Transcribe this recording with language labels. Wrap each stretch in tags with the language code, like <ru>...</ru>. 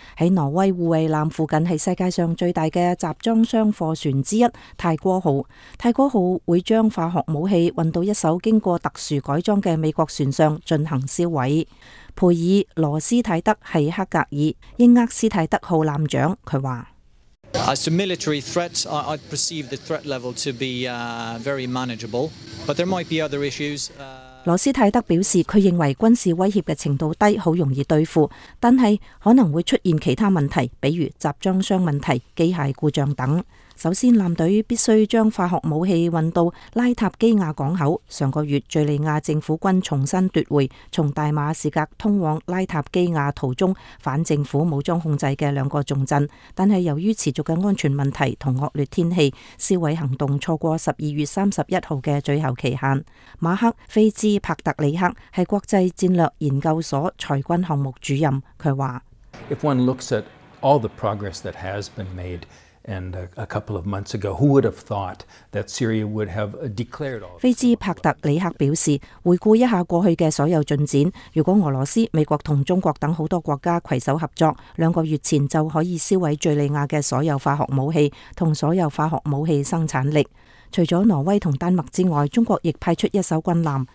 <zh>在挪威护卫舰附近是世界上最大的集装箱货船之一泰戈号。泰戈号会将化学武器运到一艘经过特殊改装的美国船上进行销毁。佩尔·罗斯泰德是克格尔英厄斯泰德号舰长，他说</zh> <en>As to military threats, I perceive the threat level to be very manageable, but there might be other issues.</en> <zh>罗斯泰德表示，他认为军事威胁的程度低，很容易对付，但是可能会出现其他问题，比如集装箱问题、机械故障等。首先，舰队必须将化学武器运到拉塔基亚港口。上个月，叙利亚政府军重新夺回从大马士革通往拉塔基亚途中反政府武装控制的两个重镇，但是由于持续的安全问题和恶劣天气，销毁行动错过12月31日的最后期限。马克·菲兹帕特里克是国际战略研究所裁军项目主任，他说</zh> <en>：“If one looks at all the progress that has been made.” And a couple of months ago, who would have thought that Syria would have declared all?</en> <zh>菲茨帕特里克表示，回顾一下过去的所有进展，如果俄罗斯、美国和中国等很多国家携手合作，两个月前就可以销毁叙利亚的所有化学武器和所有化学武器生产力。除了挪威和丹麦之外，中国亦派出一艘军舰。</zh>